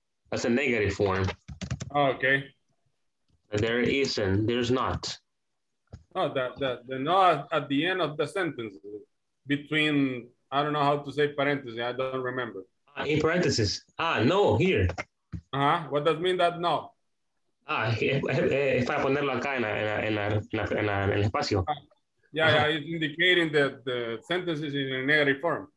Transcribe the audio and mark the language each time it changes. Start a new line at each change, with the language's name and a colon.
English: That's a negative form. Oh, okay. There isn't, there's not. Oh, the no at the end of the sentence between, I don't know how to say parentheses, I don't remember. In parentheses, no, here. Uh-huh. What does mean that no?
Spanish: Ah, es para ponerlo acá en el espacio.
English: Yeah, uh-huh. Yeah, it's indicating that the sentence is in a negative form.